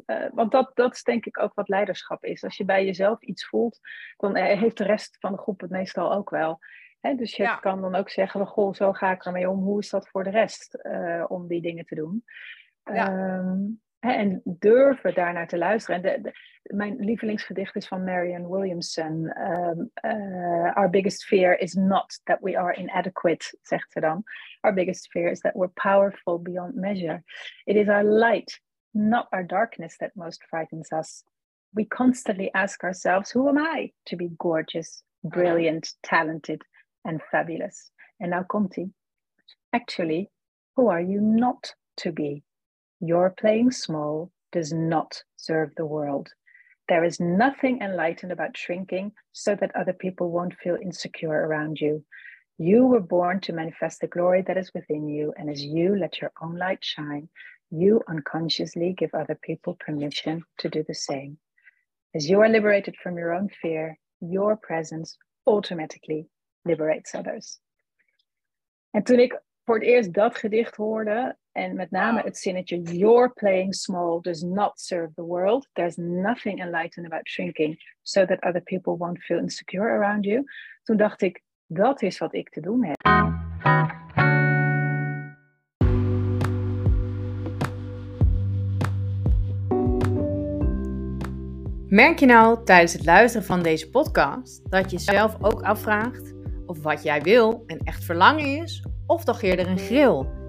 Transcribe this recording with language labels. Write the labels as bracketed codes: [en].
[nl] Want dat is denk ik ook wat leiderschap is. Als je bij jezelf iets voelt, dan heeft de rest van de groep het meestal ook wel. Hè? Dus je kan dan ook zeggen, zo ga ik ermee om. Hoe is dat voor de rest om die dingen te doen? En durven daarnaar te luisteren. En mijn lievelingsgedicht is van Marianne Williamson. [en] Our biggest fear is not that we are inadequate, [nl] zegt ze dan. [en] Our biggest fear is that we're powerful beyond measure. It is our light, not our darkness, that most frightens us. We constantly ask ourselves, who am I to be gorgeous, brilliant, talented and fabulous? [nl] En nou komt hij. [en] Actually, who are you not to be? Your playing small does not serve the world. There is nothing enlightened about shrinking so that other people won't feel insecure around you. You were born to manifest the glory that is within you, and as you let your own light shine, you unconsciously give other people permission to do the same. As you are liberated from your own fear, your presence automatically liberates others. [nl] And toen ik voor het eerst dat gedicht hoorde, en met name het zinnetje, [en] your playing small does not serve the world. There's nothing enlightened about shrinking so that other people won't feel insecure around you. [nl] Toen dacht ik, dat is wat ik te doen heb. Merk je nou tijdens het luisteren van deze podcast dat je zelf ook afvraagt of wat jij wil een echt verlangen is of toch eerder een gril?